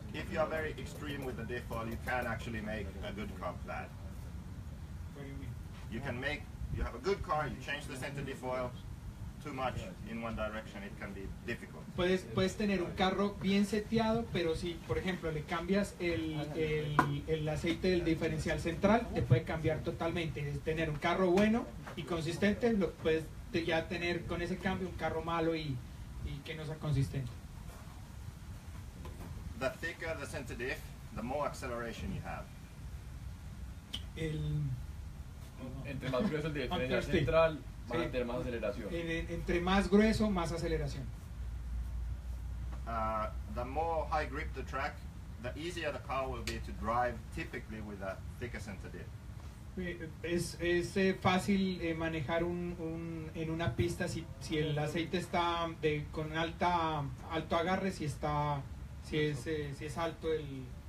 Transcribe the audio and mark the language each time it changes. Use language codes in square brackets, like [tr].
[en] If you are very extreme with the diff oil, you can actually make a good car with that. What do you mean? You have a good car, you change the center diff oil too much in one direction, it can be difficult. [es] Puedes tener un carro bien seteado, pero si, por ejemplo, le cambias el aceite del diferencial central, te puede cambiar totalmente. Es tener un carro bueno y consistente, lo puedes ya tener con ese cambio un carro malo y que no sea consistente. [en] The thicker the center diff, the more acceleration you have. [es] Entre más grueso el diferencial central, va a tener más aceleración. Entre más grueso, más aceleración. [en] The more high grip the track, the easier the car will be to drive typically with a thicker center diff. [es] Es fácil manejar un en una pista si el aceite está con alto agarre, si es alto el...